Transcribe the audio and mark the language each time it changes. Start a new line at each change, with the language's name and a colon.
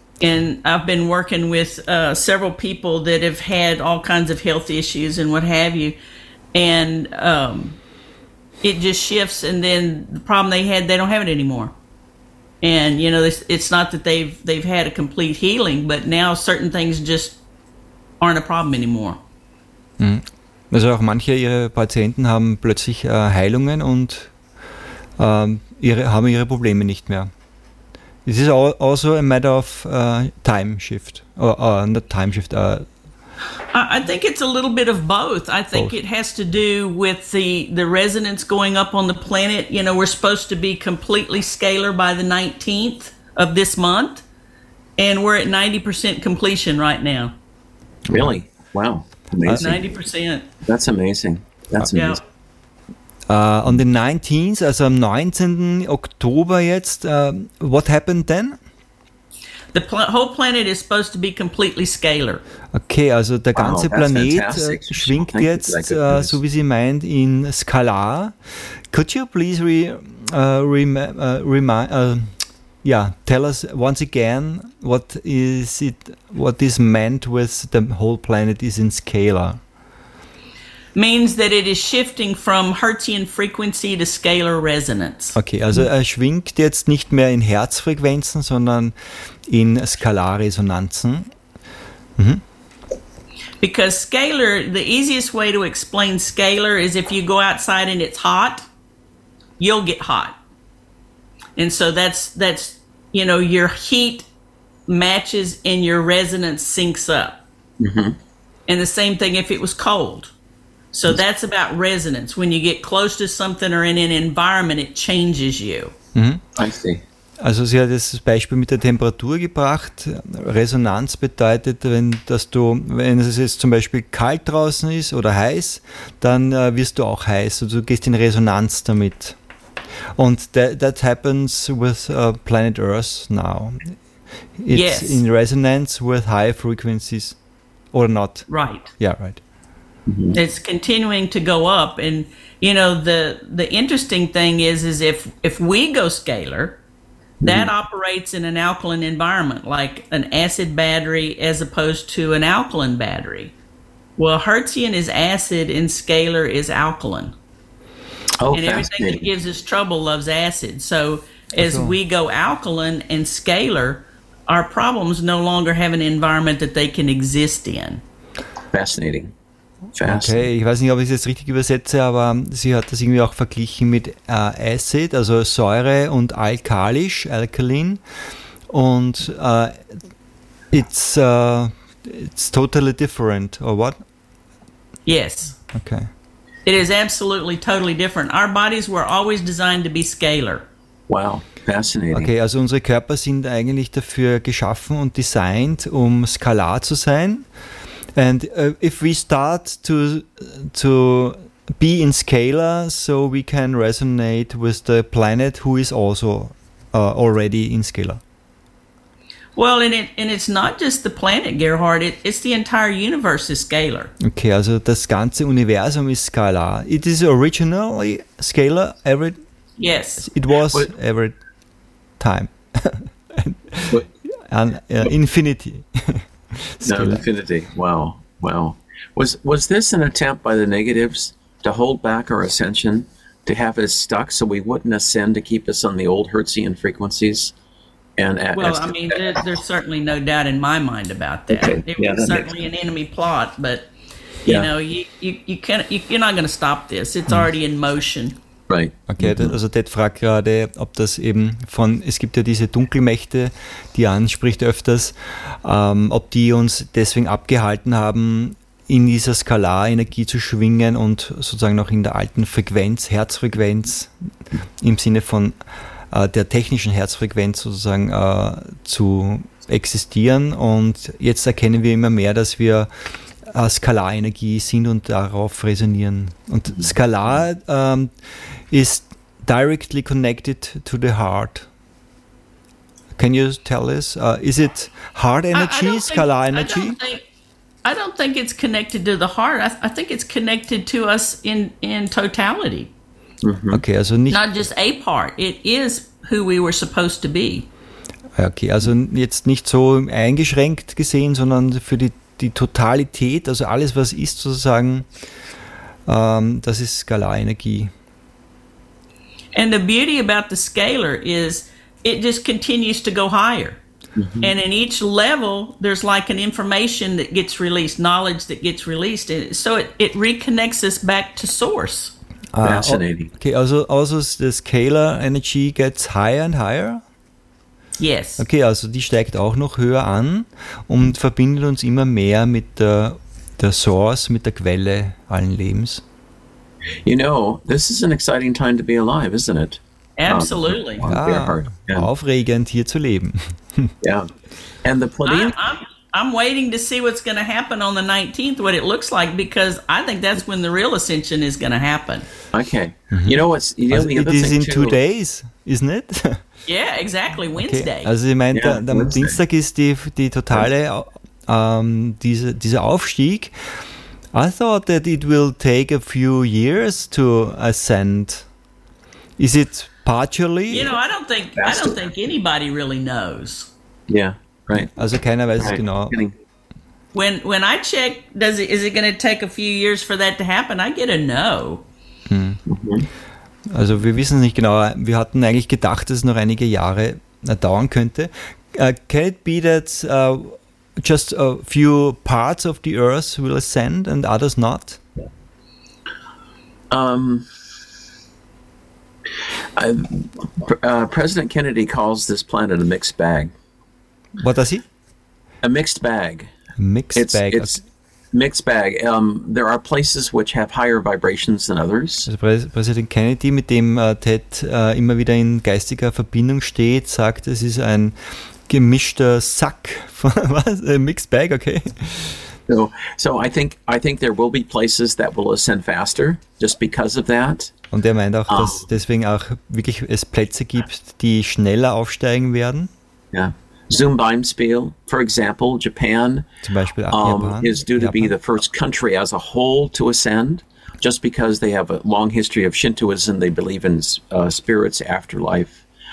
English: And I've been working with several people that have had all kinds of health issues and what have you, and it just shifts, and then the problem they had, they don't have it anymore. And, you know, it's not that they've had a complete healing, but now certain things just aren't a problem anymore. Mm.
German: Also auch manche ihrer Patienten haben plötzlich Heilungen und haben ihre Probleme nicht mehr.
English: This is also a matter of time shift, or not time shift. I think it's a little bit of both. I think both. It has to do with the resonance going up on the planet. You know, we're supposed to be completely scalar by the 19th of this month, and we're at 90% completion right now. Really? Wow. Amazing. 90%. That's amazing. That's amazing. Yeah. On the 19th,
German: also am 19. Oktober jetzt,
English: what happened then? The whole planet is supposed to be completely scalar. Okay, also der ganze Planet schwingt jetzt, so wie sie meint, in Skalar. Could you please tell us once again what is meant with the whole planet is in scalar? Means that it is shifting from Hertzian frequency to scalar resonance. Okay, also er schwingt jetzt nicht mehr in Herzfrequenzen, sondern in Skalarresonanzen. Mhm. Because scalar, the easiest way to explain scalar is if you go outside and it's hot, you'll get hot. And so that's you know, your heat matches and your resonance syncs up. Mm-hmm. And the same thing if it was cold. So that's about resonance. When you get close to something or in an environment, it changes you. Mm-hmm. I see.
German: Also sie hat das Beispiel mit der Temperatur gebracht. Resonanz bedeutet, wenn es jetzt zum Beispiel kalt draußen ist oder heiß, dann wirst du auch heiß. Also du gehst in Resonanz damit.
English: And that happens with planet Earth now. It's yes. In resonance with high frequencies or not. Right. Yeah, right. Mm-hmm. It's continuing to go up, and you know the interesting thing is if we go scalar, that mm-hmm. operates in an alkaline environment, like an acid battery as opposed to an alkaline battery. Well, Hertzian is acid, and scalar is alkaline. Oh, and everything that gives us trouble loves acid. So as okay. we go alkaline and scalar, our problems no longer have an environment that they can exist in. Fascinating.
German: Okay, ich weiß nicht, ob ich es jetzt richtig übersetze, aber sie hat das irgendwie auch verglichen mit Acid, also Säure und alkalisch, alkaline.
English: Und it's totally different, or what? Yes. Okay. It is absolutely totally different. Our bodies were always designed to be scalar. Wow, fascinating.
German: Okay, also unsere Körper sind eigentlich dafür geschaffen und designed, um skalar zu sein.
English: And if we start to be in scalar, so we can resonate with the planet who is also already in scalar. Well, and it's not just the planet, Gerhard. It's the entire universe is scalar.
German: Okay, also das ganze Universum ist skalar.
English: It is originally scalar, every... Yes. It was every time. infinity. Scalar. No, infinity. Wow. Was this an attempt by the negatives to hold back our ascension, to have us stuck so we wouldn't ascend, to keep us on the old Hertzian frequencies? There's certainly no doubt in my mind about that. Okay. It was certainly an enemy plot, but you're not going to stop this. It's already in motion. Right. Okay, mm-hmm.
German: Also Ted fragt gerade, ob das eben von, es gibt ja diese Dunkelmächte, die er anspricht öfters, ob die uns deswegen abgehalten haben, in dieser Skalarenergie zu schwingen und sozusagen noch in der alten Frequenz, Herzfrequenz, im Sinne von der technischen Herzfrequenz sozusagen zu existieren. Und jetzt erkennen wir immer mehr, dass wir Skalarenergie sind und darauf resonieren.
English: Und Skalar is directly connected to the heart. Can you tell us? Is it heart energy, Skalar energy? I don't think, I don't think it's connected to the heart. I think it's connected to us in totality. Mm-hmm. Okay, also not just a part. It is who we were supposed to be.
German: Okay, also jetzt nicht so eingeschränkt gesehen, sondern für die Totalität, also alles, was ist sozusagen, das ist Skalarenergie.
English: And the beauty about the scalar is it just continues to go higher. Mm-hmm. And in each level, there's like an information that gets released, knowledge that gets released. So it reconnects us back to source. Fascinating. Okay, also the scalar energy gets higher and higher? Yes.
German: Okay, also die steigt auch noch höher an und verbindet uns immer mehr mit der Source, mit der Quelle allen Lebens.
English: You know, this is an exciting time to be alive, isn't it? Absolutely.
German: Aufregend, hier zu leben.
English: Yeah. And the Pleiadians. I'm waiting to see what's going to happen on the 19th, what it looks like, because I think that's when the real ascension is going to happen. Okay. Mm-hmm. You know what's. You know, it is in 2 days, isn't it? Yeah, exactly. Wednesday.
German: Okay. Also, ich meine, Dienstag ist die totale, dieser Aufstieg.
English: I thought that it will take a few years to ascend. Is it partially? You know, I don't think anybody really knows. Yeah, right.
German: Also keiner weiß es genau.
English: When I check, is it going to take a few years for that to happen? I get a no. Mm-hmm.
German: Also wir wissen es nicht genau. Wir hatten eigentlich gedacht, dass es noch einige Jahre dauern könnte.
English: Can it be that just a few parts of the Earth will ascend and others not? President Kennedy calls this planet a mixed bag. What does he? A mixed bag. Mixed bag. There are places which have higher vibrations than others.
German: Also President Kennedy, mit dem Ted immer wieder in geistiger Verbindung steht, sagt, es ist ein gemischter Sack.
English: Was? A mixed bag, okay. So I think there will be places that will ascend faster just because of that.
German: Und er meint auch, dass deswegen auch wirklich es Plätze gibt, die schneller aufsteigen werden. Ja. Zoom Beispiel,
English: for example,
German: Japan, zum Beispiel auch Japan,
English: is due to be the first country as a whole to ascend just because they have a long history of Shintoism, they believe in spirits afterlife.